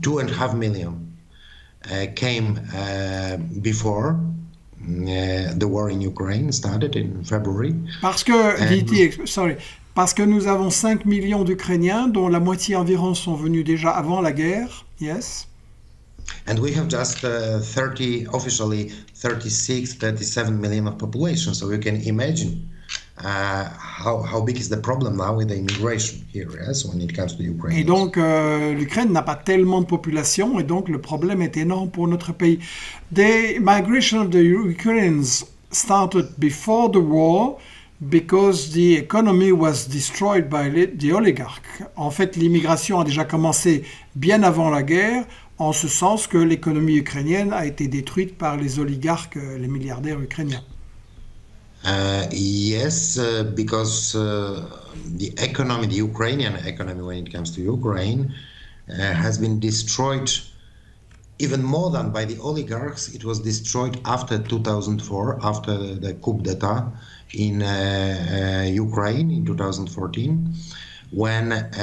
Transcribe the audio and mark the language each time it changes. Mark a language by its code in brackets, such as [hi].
[en] 2.5 million came before the war in Ukraine started in February. [fr] Parce que, parce que nous avons 5 millions d'Ukrainiens, dont la moitié environ sont venus déjà avant la guerre, yes. [en] And we have just 37 million of population. So you can imagine how big is the problem now with the immigration here, yes, when it comes to Ukraine. [fr] Et donc l'Ukraine n'a pas tellement de population, et donc le problème est énorme pour notre pays. [en] The migration of the Ukrainians started before the war because the economy was destroyed by the oligarch. [fr] En fait, l'immigration a déjà commencé bien avant la guerre. En ce sens que l'économie ukrainienne a été détruite par les oligarques, les milliardaires ukrainiens. [en] Yes, because the economy, the Ukrainian economy, when it comes to Ukraine, has been destroyed even more than by the oligarchs. It was destroyed after 2004, after the coup d'état in Ukraine in 2014, when.